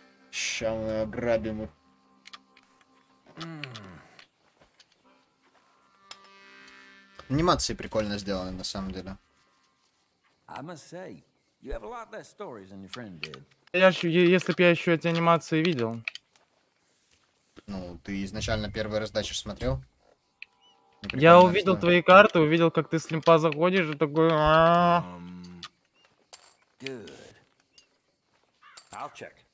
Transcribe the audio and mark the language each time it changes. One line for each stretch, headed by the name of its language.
Russian: Ща мы ограбим. Анимации прикольно сделаны, на самом деле.
English: I must say, you have a lot less stories than your friend did.
Russian: Если бы я еще эти анимации видел. Ну, ты изначально первый раз дальше смотрел? Я увидел твои карты, увидел, как ты с лимпа заходишь, и такой...
English: Good. I'll check.